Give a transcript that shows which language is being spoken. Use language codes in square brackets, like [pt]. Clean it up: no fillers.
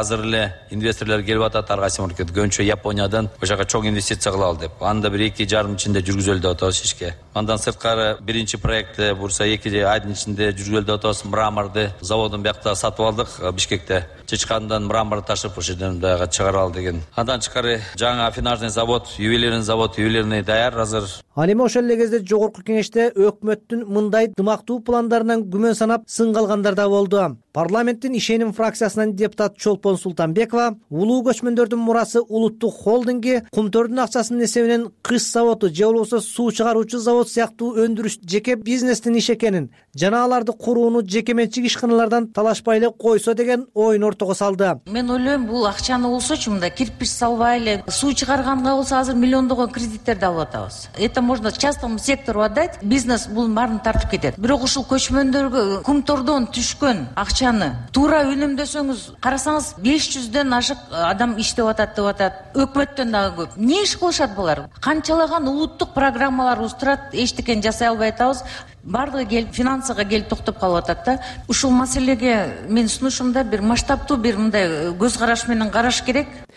[ky] Азыр эле инвесторлор келип атат ар кайсы мамлекет көнчө Япониядан ошол жака чоң инвестиция кылалы деп. Аны да бир 2.5 жылдын ичинде жүргүзөлү деп атабыз ишке. Андан сырткары биринчи проекти буюрса 2 айдын ичинде жүргүзөлү деп атабыз. Мраморду заводун биякта сатып алдык Бишкекте. Чычкандан мрамор ташып ушул жерден дагы чыгаралы деген. Андан тышкары жаңы афинажный завод, ювелирный завод, ювелирный даяр азыр. Ал эми ошол эле кезде жогорку кеңеште өкмөттүн мындай дымактуу пландарынан күмөн санап сынга алгандар да болду. Парламенттин ишеним фракциясынан депутат Чолпон Султанбекова улуу көчмөндөрдүн мурасы улуттук холдинги Кумтөрдүн акчасынын эсебинен кыш заводу же болбосо суу чыгаруучу завод сыяктуу өндүрүш жеке бизнестин иши экенин жана аларды курууну жеке менчик ишканалардан талашпай эле койсо деген оюн ортого салды. Мен ойлойм, бул акчаны болсочу мындай кирпич салбай эле суу чыгарганга болсо азыр миллиондогон кредиттерди алып атабыз. [ru] Это можно частному сектору отдать, [ky] бизнес бул барын тартып кетет. Бирок ушул көчмөндөргө кумтордон түшкөн акчаны туура үнөмдөсөңүз, карасаңыз 500'den ашык адам иштеп атат деп атат. Өкмөттөн дагы көп. Эмне иш кылышат булар? Канчалаган улуттук программаларыбыз турат, эчтекен жасай албай атабыз. Бардыгы келип финансыга келип токтоп калып атат да. Ушул маселеге мен сунушумда бир масштабтуу бир мындай көз караш менен караш керек.